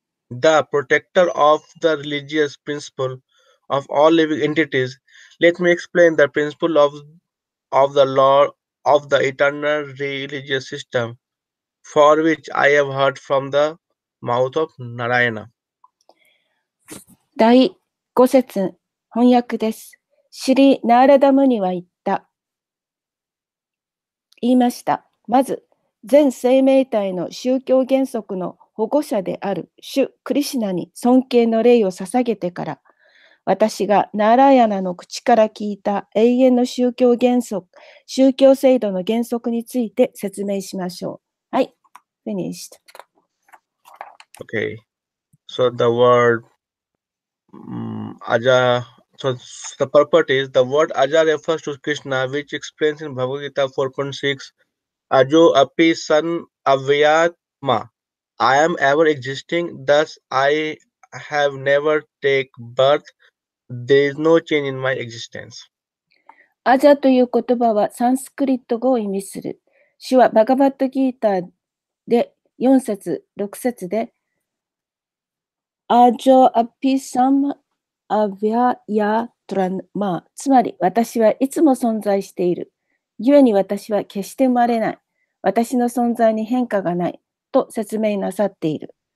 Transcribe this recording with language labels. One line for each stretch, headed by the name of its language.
English: the protector of the religious principle of all living entities, let me explain the principle of the law of the eternal religious system, for which I have heard from the mouth of Narayana.
Japanese: 第5節翻訳です。シリ・ナーラダムニは言った。言いました。まず、全生命体の宗教原則の保護者である主・クリシナに尊敬の礼を捧げてから、私がナーラヤナの口から聞いた永遠の宗教原則、宗教制度の原則について説明しましょう。はい、
English: finished。 Okay, so the word Aja, so the purpose is, the word Aja refers to Krishna, which explains in Bhagavad Gita 4.6,
Sanskrit: Ajo api san avyatma,
English: I am ever existing, thus I have never take birth, there is no change in my existence.
Japanese: Aja という言葉はサンスクリット語を意味する。主はバガバットギーターで4節、6節で、
Sanskrit: アジョアピサムアヴィアヤトランマ、
Japanese: つまり私はいつも存在している、故に私は決して生まれない、私の存在に変化がないと説明なさっている。